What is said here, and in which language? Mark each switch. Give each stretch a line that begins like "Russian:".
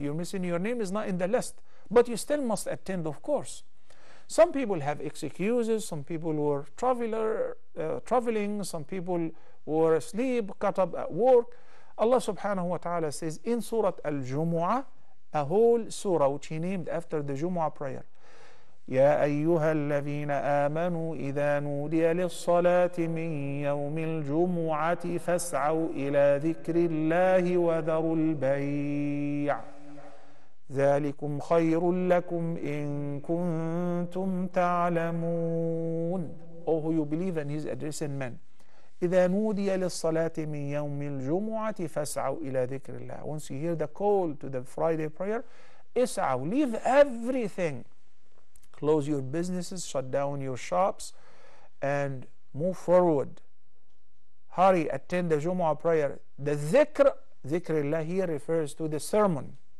English: You're missing, your name is not in the list. But you still must attend, of course. Some people have excuses. Some people were traveling. Some people were asleep, caught up at work. Allah subhanahu wa ta'ala says in Surah Al-Jumu'ah, a whole surah which he named after the Jumu'ah prayer.
Arabic: يا أيها الذين آمنوا إذا نودي للصلاة من يوم الجمعة فاسعوا إلى ذكر الله وذروا البيع ذلكم خير لكم إن كنتم تعلمون.
English: Oh, you believe, and he's addressing men.
Arabic: إذا نودي للصلاة من يوم الجمعة فاسعوا إلى ذكر الله.
English: Once you hear the call to the Friday prayer, اسعوا, leave everything. Close your businesses, shut down your shops, and move forward. Hurry, attend the Jumu'ah prayer. The dhikr, dhikrillah here refers to the sermon.